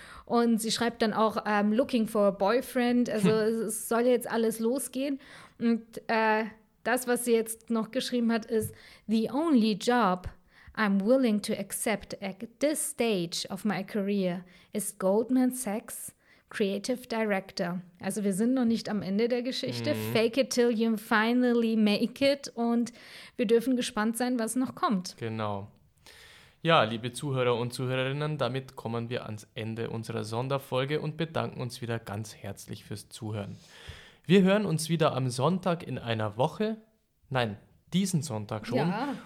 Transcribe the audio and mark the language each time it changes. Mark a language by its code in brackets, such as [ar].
[de] Und sie schreibt dann auch, [en] looking for a boyfriend. [de] Also es soll jetzt alles losgehen. Und das, was sie jetzt noch geschrieben hat, ist, [en] the only job I'm willing to accept at this stage of my career is Goldman Sachs Creative Director. [de] Also wir sind noch nicht am Ende der Geschichte. [en] Fake it till you finally make it. [de] Und wir dürfen gespannt sein, was noch kommt. Genau. Ja, liebe Zuhörer und Zuhörerinnen, damit kommen wir ans Ende unserer Sonderfolge und bedanken uns wieder ganz herzlich fürs Zuhören. Wir hören uns wieder am Sonntag in einer Woche. Nein, diesen Sonntag schon. Ja.